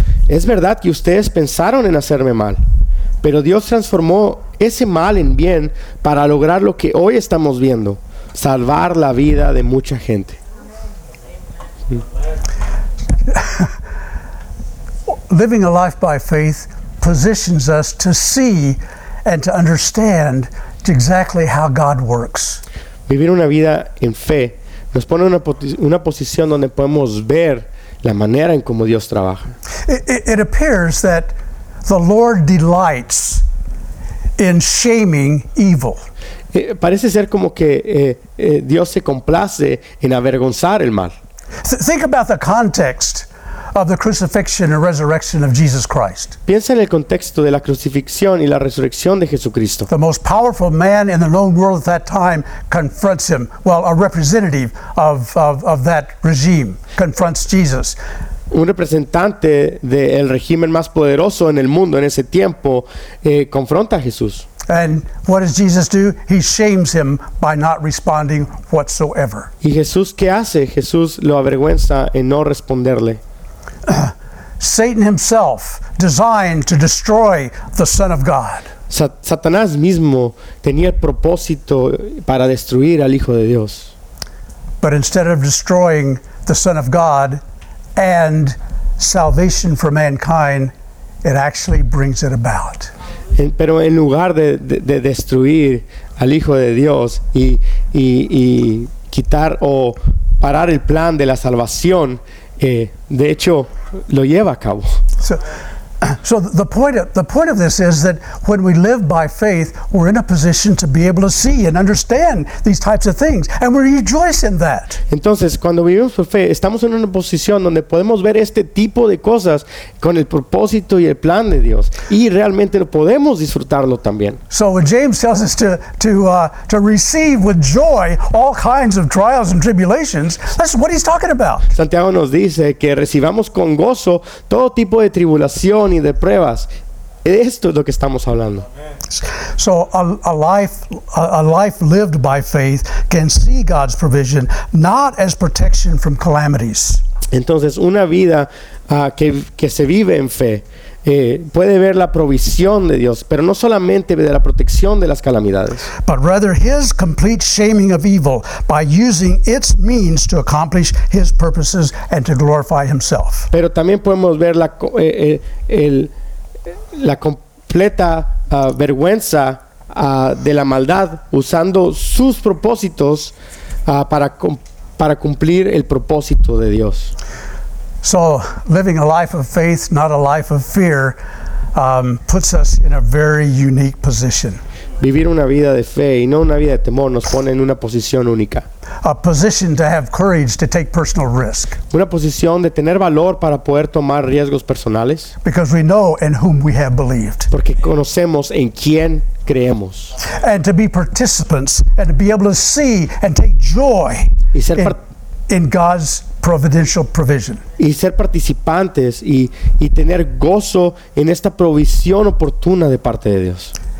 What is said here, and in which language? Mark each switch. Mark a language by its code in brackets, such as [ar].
[es] Es verdad que ustedes pensaron en hacerme mal, pero Dios transformó ese mal en bien para lograr lo que hoy estamos viendo, salvar la vida de mucha gente. [en] Living a life by faith positions us to see and to understand exactly how God works. [es] Vivir una vida en fe nos pone en una posición donde podemos ver la manera en cómo Dios trabaja. [en] It appears that the Lord delights in shaming evil. [es] Parece ser como que Dios se complace en avergonzar el mal. [en] Think about the context of the crucifixion and resurrection of Jesus Christ. [es] Piensa en el contexto de la crucifixión y la resurrección de Jesucristo. [en] The most powerful man in the known world at that time confronts him. Well, a representative of that regime confronts Jesus. [es] Un representante del régimen más poderoso en el mundo en ese tiempo confronta a Jesús. [en] And what does Jesus do? He shames him by not responding whatsoever. [es] ¿Y Jesús qué hace? Jesús lo avergüenza en no responderle. [en] Satan himself designed to destroy the Son of God. [es] Satanás mismo tenía el propósito para destruir al Hijo de Dios. [en] But instead of destroying the Son of God and salvation for mankind, it actually brings it about. [es] Pero en lugar de destruir al Hijo de Dios y quitar o parar el plan de la salvación, de hecho, lo lleva a cabo. [en] So the point of this is that when we live by faith, we're in a position to be able to see and understand these types of things, and we rejoice in that. [es] Entonces, cuando vivimos por fe, estamos en una posición donde podemos ver este tipo de cosas con el propósito y el plan de Dios, y realmente lo podemos disfrutarlo también. [en] So James tells us to receive with joy all kinds of trials and tribulations. That's what he's talking about. [es] Santiago nos dice que recibamos con gozo todo tipo de tribulación y de pruebas. Esto es lo que estamos hablando. [en] So a life lived by faith can see God's provision not as protection from calamities. [es] Entonces una vida que se vive en fe puede ver la provisión de Dios, pero no solamente de la protección de las calamidades, [en] but rather his complete shaming of evil by using its means to accomplish his purposes and to glorify himself. [es] Pero también podemos ver la completa vergüenza de la maldad usando sus propósitos para cumplir el propósito de Dios. [en] So, living a life of faith, not a life of fear, puts us in a very unique position. [es] Vivir una vida de fe y no una vida de temor nos pone en una posición única. [en] A position to have courage to take personal risk. [es] Una posición de tener valor para poder tomar riesgos personales. [en] Because we know in whom we have believed. [es] Porque conocemos en quién creemos. [en] And to be participants and to be able to see and take joy in God's providential provision. [es] Y ser participantes y tener gozo en esta provisión oportuna de parte de Dios.